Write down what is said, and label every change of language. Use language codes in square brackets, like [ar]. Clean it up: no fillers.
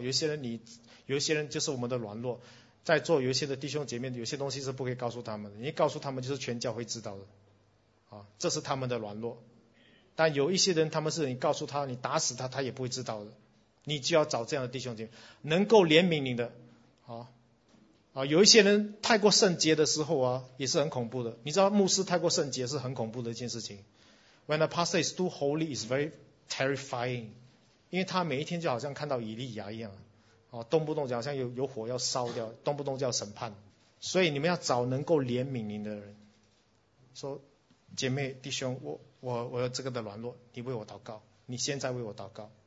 [zh] 有些人你，有些人就是我们的软弱，在座有些的弟兄姐妹，有些东西是不可以告诉他们的，你告诉他们就是全教会知道的，啊，这是他们的软弱。但有一些人，他们是你告诉他，你打死他，他也不会知道的。你就要找这样的弟兄姐妹，能够怜悯你的，啊，啊，有一些人太过圣洁的时候啊，也是很恐怖的。你知道牧师太过圣洁是很恐怖的一件事情。 [en] When a pastor is too holy, it's very terrifying. [zh] 因为他每一天就好像看到以利亚一样，哦，动不动就好像 有火要烧掉，动不动就要审判。所以你们要找能够怜悯您的人，说姐妹弟兄，我有这个的软弱，你为我祷告，你现在为我祷告。